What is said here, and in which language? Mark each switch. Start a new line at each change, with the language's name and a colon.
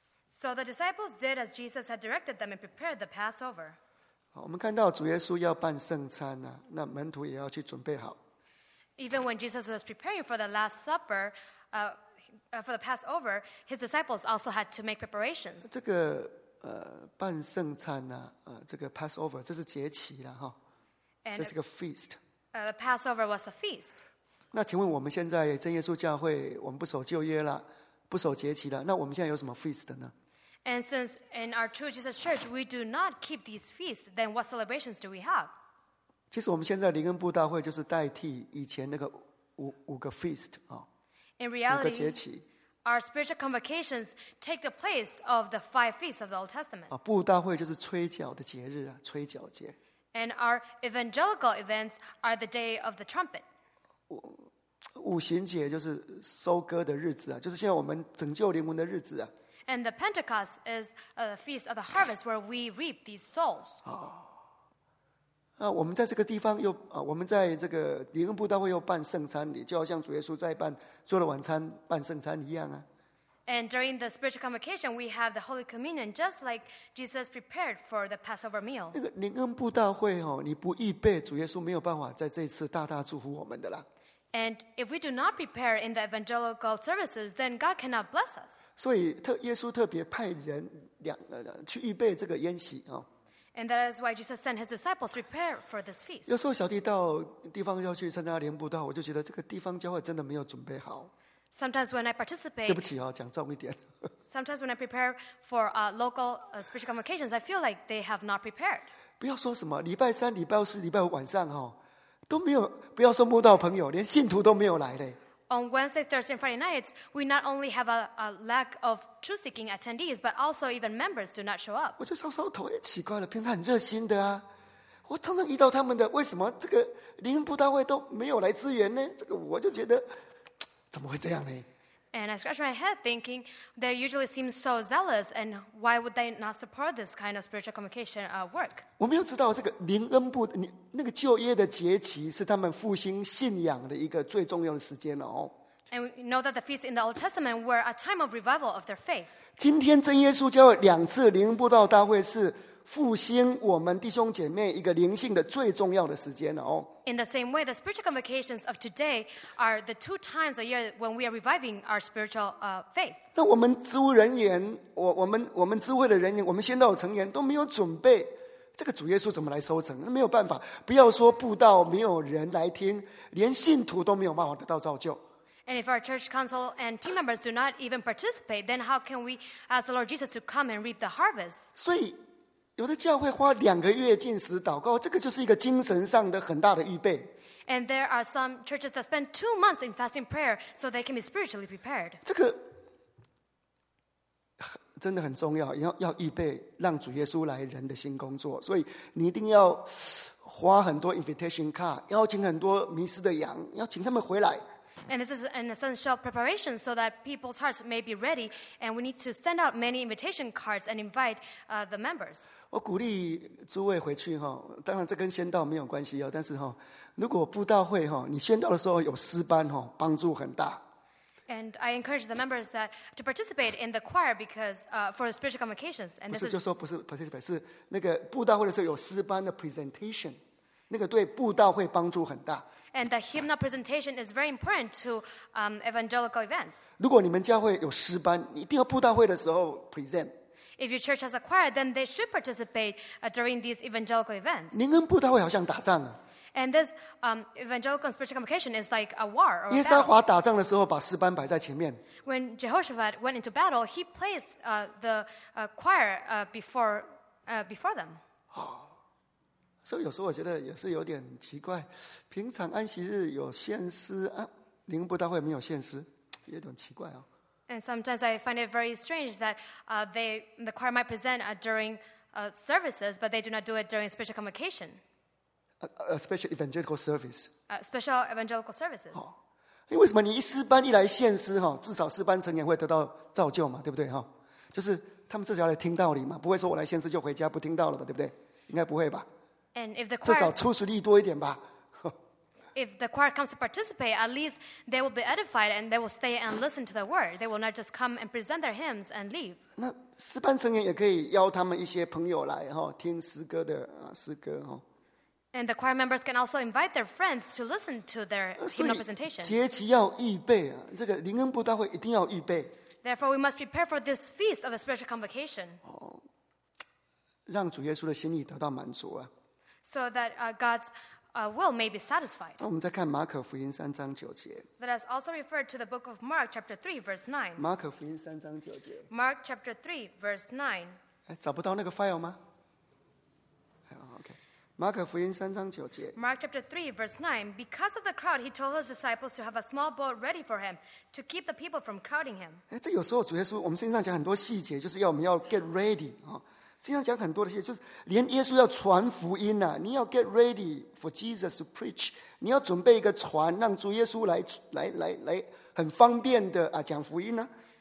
English: So the disciples did as Jesus had directed them and prepared the Passover.
Chinese: 我们看到主耶稣要办圣餐啊，那门徒也要去准备好。
English: Even when Jesus was preparing for the Last Supper, for the Passover, his disciples also had to make preparations.
Chinese: 这个办圣餐啊，这个 Passover 这是节期了哈，这是个 feast.
English: The Passover was a feast.
Chinese: 那请问我们现在真耶稣教会，我们不守旧约了。不守节期的，那我们现在有什么 feast 的呢？
English: And since in our true Jesus Church we do not keep these feasts, then what celebrations do we have?
Chinese: 其实我们现在灵恩布道会就是代替以前那个 五个 feast 啊、哦。
English: In reality,
Chinese: 五个节期
English: our spiritual convocations take the place of the five feasts of the Old Testament.
Chinese: 啊、哦，布道会就是吹角的节日啊，吹角节。
English: And our evangelical events are the day of the trumpet.
Chinese: 五旬节就是收割的日子啊，就是现在我们拯救灵魂的日子啊。
English: And the Pentecost is a feast of the harvest where we reap these souls.
Chinese: 啊，我们在这个地方又啊，我们在这个灵恩布道会又办圣餐礼，就好像主耶稣在办做了晚餐办圣餐一样啊。
English: And during the spiritual convocation, we have the Holy Communion, just like Jesus prepared for the Passover meal.
Chinese: 那个灵恩布道会哦，你不预备，主耶稣没有办法在这次大大祝福我们的啦。
English: And if we do not prepare in the evangelical services, then God cannot bless us.
Chinese: 所以耶稣特别派人去预备这个宴席、哦、
English: And that is why Jesus sent his disciples to prepare for this feast.
Chinese: 有时候小弟到地方要去参加联布道，我就觉得这个地方教会真的没有准备好。
English: Sometimes when I participate,
Chinese: 对不起哦，讲重一点。
English: Sometimes when I prepare for local spiritual convocations, I feel like they have not prepared.
Chinese: 不要说什么礼拜三、礼拜四、礼拜五晚上、哦都没有，不要说慕道朋友，连信徒都没有来嘞。
English: On Wednesday, Thursday, and Friday nights, we not only have a lack of truth-seeking attendees, but also even members do not show up.
Chinese: 我就稍稍头，哎，奇怪了，平常很热心的啊，我常常遇到他们的，为什么这个灵恩布道会都没有来支援呢？这个我就觉得怎么会这样呢
English: ？And I scratch my head, thinking they usually seem so zealous, and why would they not support this kind of spiritual communication work?
Chinese: 我没有知道这个灵恩布你。那个旧约的节期是他们复兴信仰的一个最重要的时间哦。
English: And we know that the feasts in the Old Testament were a time of revival of their faith.
Chinese: 今天真耶稣教会两次灵恩布道大会是复兴我们弟兄姐妹一个灵性的最重要的时间哦。
English: In the same way, the spiritual convocations of today are the two times a year when we are reviving our spiritual faith.
Chinese: 那我们职务人员，我们职会的人员，我们先到成员都没有准备。这个主耶稣怎么来收成？没有办法，不要说布道没有人来听，连信徒都没有办法得到造就。
English: And if our church council and team members do not even participate, then how can we ask the Lord Jesus to come and reap the harvest?
Chinese: 所以，有的教会花两个月禁食祷告，这个就是一个精神上的很大的预备。
English: And there are some churches that spend 2 months in fasting prayer so they can be spiritually prepared.
Chinese: 这个真的很重要，要预备让主耶稣来人的新工作，所以你一定要花很多 invitation card，邀请很多迷失的羊，邀请他们回来。
English: And this is an essential preparation so that people's hearts may be ready, and we need to send out many invitation cards and invite the members.
Chinese: 我鼓励诸位回去哈，当然这跟宣道没有关系哦，但是哈，如果布道会哈，你宣道的时候有诗班哈，帮助很大。
English: And I encourage the members that to participate in the choir because for the spiritual convocations. And this is
Chinese: 不是就说不是 participate 是那个布道会的时候有诗班的 presentation， 那个对布道会帮助很大。
English: And the hymnal presentation is very important to evangelical events.
Chinese: 如果你们教会有诗班，一定要布道会的时候 present。
English: If your church has a choir, then they should participate during these evangelical events.
Chinese: 您跟布道会好像打仗啊。
English: And this evangelical spiritual communication is like a war.
Chinese: 耶稣华打仗的时候，把诗班摆在前面。
English: When Jehoshaphat went into battle, he placed the choir before them.
Chinese: 所以有时候我觉得也是有点奇怪，平常安息日有献诗啊，灵恩布道会没有献诗，有点奇怪哦。
English: And sometimes I find it very strange that the choir might present during services, but they do not do it during spiritual communication. Special evangelical services.
Chinese: 因为什么？你一诗班一来献诗哈，至少诗班成员会得到造就嘛，对不对哈？就是他们至少要来听道理嘛，不会说我来献诗就回家不听到了吧，对不对？应该不会吧？
English: And if the choir,
Chinese: 至少出水力多一点吧。
English: if the choir comes to participate, at least they will be edified and they will stay and listen to the word. They will not just come and present their hymns and leave.
Chinese: 那诗班成员也可以邀他们一些朋友来哈，听诗歌的诗歌哈。
English: And the choir members can also invite their friends to listen to their hymnal presentation.
Chinese: 所以节期要预备啊，这个灵恩布道会一定要预备。
English: Therefore, we must prepare for this feast of the spiritual convocation.
Chinese: 让主耶稣的心意得到满足啊。
English: So that God'swill may be satisfied.
Chinese: 我们再看马可福音三章九节。
English: Let us also refer to the book of Mark, chapter 3, verse 9.
Chinese: 马可福音三章九节。
English: Mark, chapter 3, verse 9.
Chinese: 找不到那个 file 吗？马可福音三章九节。
English: Mark chapter 3 verse 9. Because of the crowd, he told his disciples to have a small boat ready for him to keep the people from crowding him.
Chinese: 这有时候主耶稣，我们圣经上讲很多细节，就是要我们要 get ready 啊。圣经上讲很多的细节，就是连耶稣要传福音呐、啊，你要 get ready for Jesus to preach，你要准备一个船，让主耶稣来很方便的啊讲福音呢、啊。